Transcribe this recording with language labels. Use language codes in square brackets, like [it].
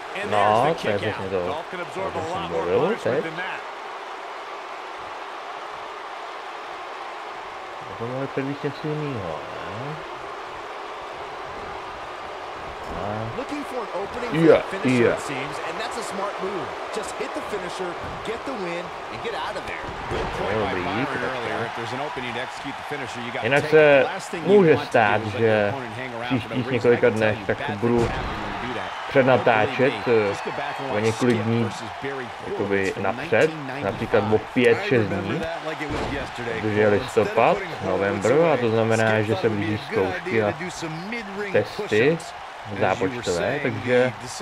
[cs] No, to je přesně to, co jsem mluvil teď. A to mohli předvíc něco jinýho, ne? [en] Looking for an opening finisher, it seems, and that's a smart move. Just hit the finisher, get the win, and get out of there. Good point by Byron earlier. If there's an opening to execute the finisher, you got to take it. Last thing you want to do is let your opponent hang around for the reason I can tell you bad things happen when you do that. [cs] Přednatáčet o několik dní jakoby napřed, například o 5-6 dní, protože je listopad, november, a to znamená, že se blíží zkoušky a testy zápočtové, takže